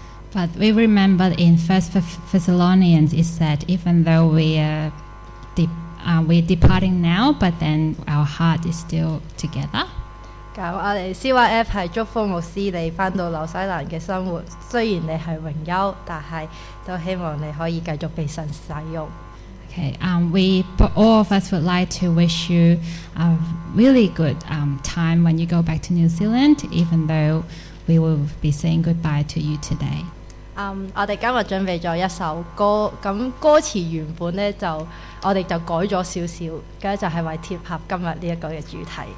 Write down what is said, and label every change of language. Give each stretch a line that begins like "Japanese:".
English: But we remember in First Thessalonians, it said, even though we're departing now, but then our heart is still together.
Cantonese: 咁我哋 CYF 係祝福牧師你翻到紐西蘭嘅生活，雖然你係榮休，但係都希望你可以繼續被神使用。
English: Okay, we all of us would like to wish you a really good time when you go back to New Zealand, even though we will be saying goodbye to you today.
Cantonese: 我哋今日準備咗一首歌，咁歌詞原本咧就我哋就改咗少少，咁就係為貼合今日呢一個嘅主題。